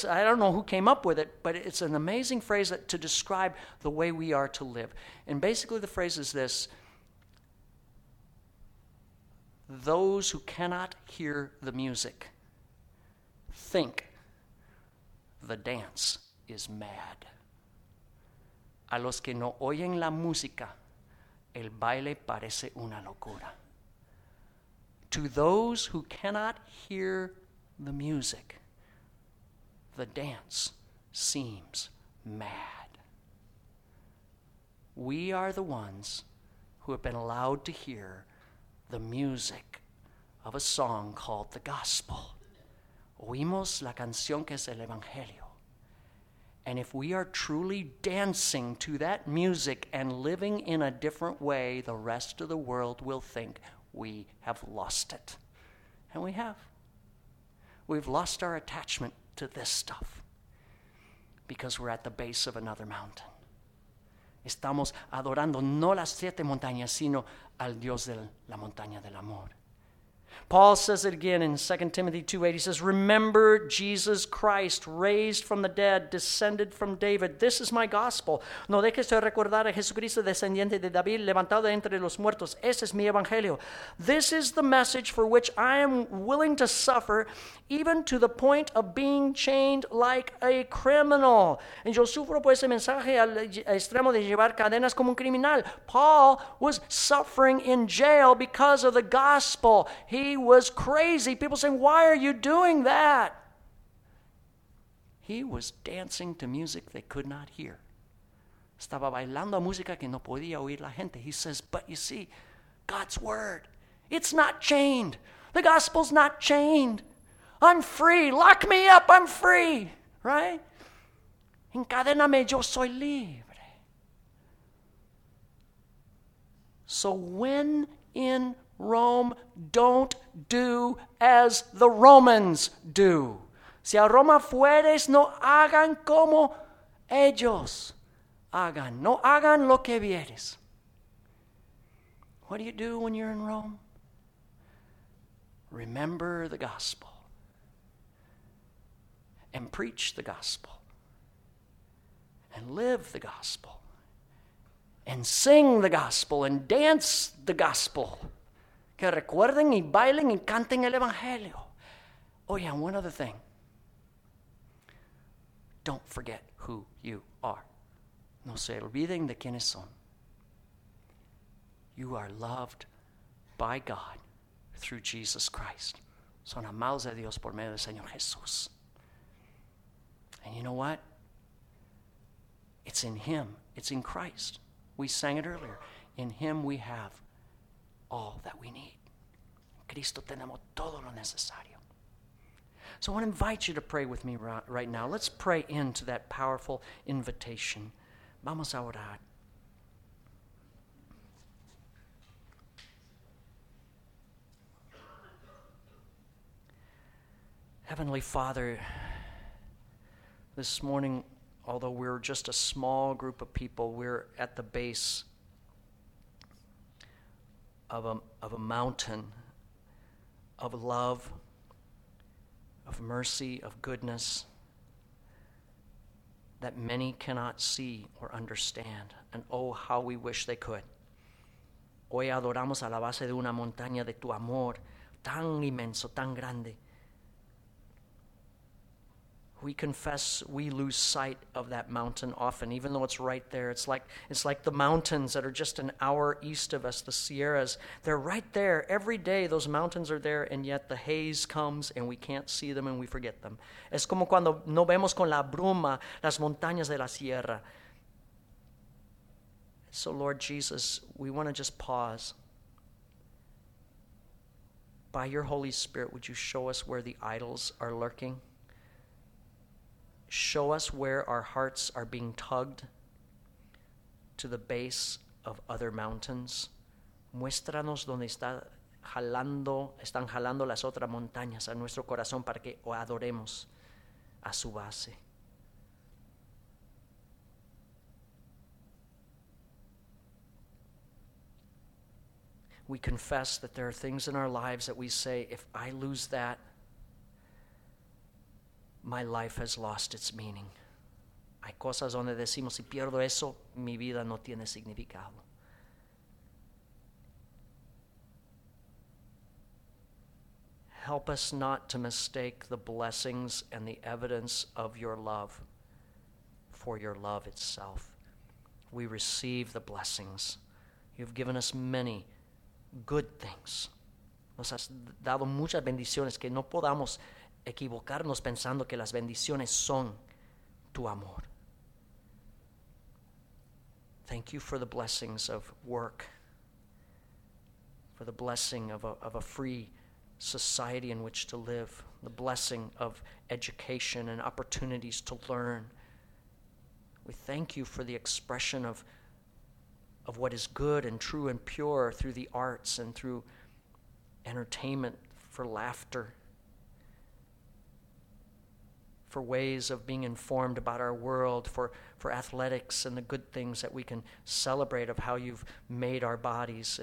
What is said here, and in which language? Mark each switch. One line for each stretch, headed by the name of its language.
English: I don't know who came up with it, but it's an amazing phrase to describe the way we are to live. And basically the phrase is this: those who cannot hear the music think the dance is mad.
Spanish: A los que no oyen la música, el baile parece una locura.
English: To those who cannot hear the music, the dance seems mad. We are the ones who have been allowed to hear the music of a song called the gospel.
Spanish: Oímos la canción que es el evangelio.
English: And if we are truly dancing to that music and living in a different way, the rest of the world will think we have lost it. And we have. We've lost our attachment to this stuff because we're at the base of another mountain.
Spanish: Estamos adorando no las siete montañas, sino al Dios de la montaña del amor.
English: Paul says it again in 2 Timothy 2:8. He says, remember Jesus Christ, raised from the dead, descended from David. This is my gospel.
Spanish: No dejes de recordar a Jesucristo, descendiente de David, levantado entre los muertos. Ese es mi evangelio.
English: This is the message for which I am willing to suffer, even to the point of being chained like a criminal.
Spanish: Y yo sufro por ese mensaje al extremo de llevar cadenas como un criminal.
English: Paul was suffering in jail because of the gospel. He was crazy. People saying, why are you doing that? He was dancing to music they could not hear.
Spanish: Estaba bailando música que no podía oír la gente.
English: He says, but you see, God's word, it's not chained. The gospel's not chained. I'm free. Lock me up. I'm free. Right?
Spanish: Encadéname, yo soy libre.
English: So when in Rome, don't do as the Romans do.
Spanish: Si a Roma fueres, no hagan como ellos hagan. No hagan lo que vieres.
English: What do you do when you're in Rome? Remember the gospel and preach the gospel and live the gospel and sing the gospel and dance the gospel.
Spanish: Que recuerden y bailen y canten el evangelio.
English: Oh yeah, one other thing. Don't forget who you are.
Spanish: No se olviden de quiénes son.
English: You are loved by God through Jesus Christ.
Spanish: Son amados de Dios por medio del Señor Jesús.
English: And you know what? It's in Him. It's in Christ. We sang it earlier. In Him we have all that we need.
Spanish: Cristo tenemos todo lo necesario.
English: So I want to invite you to pray with me right now. Let's pray into that powerful invitation.
Spanish: Vamos a orar.
English: Heavenly Father, this morning, although we're just a small group of people, we're at the base of a mountain of love, of mercy, of goodness that many cannot see or understand. And oh, how we wish they could.
Spanish: Hoy adoramos a la base de una montaña de tu amor tan inmenso, tan grande.
English: We confess we lose sight of that mountain often, even though it's right there. It's like the mountains that are just an hour east of us, the Sierras. They're right there. Every day those mountains are there, and yet the haze comes and we can't see them and we forget them.
Spanish: Es como cuando no vemos con la bruma las montañas de la Sierra.
English: So, Lord Jesus, we want to just pause. By your Holy Spirit, would you show us where the idols are lurking? Show us where our hearts are being tugged to the base of other mountains.
Spanish: Muéstranos donde están jalando las otras montañas a nuestro corazón para que adoremos a su base.
English: We confess that there are things in our lives that we say, if I lose that, my life has lost its meaning.
Spanish: Hay cosas donde decimos, si pierdo eso, mi vida no tiene significado.
English: Help us not to mistake the blessings and the evidence of your love for your love itself. We receive the blessings. You've given us many good things.
Spanish: Nos has dado muchas bendiciones que no podamos equivocarnos pensando que las bendiciones son tu amor.
English: Thank you for the blessings of work, for the blessing of a free society in which to live, the blessing of education and opportunities to learn. We thank you for the expression of what is good and true and pure through the arts and through entertainment, for laughter, for ways of being informed about our world, for athletics and the good things that we can celebrate of how you've made our bodies.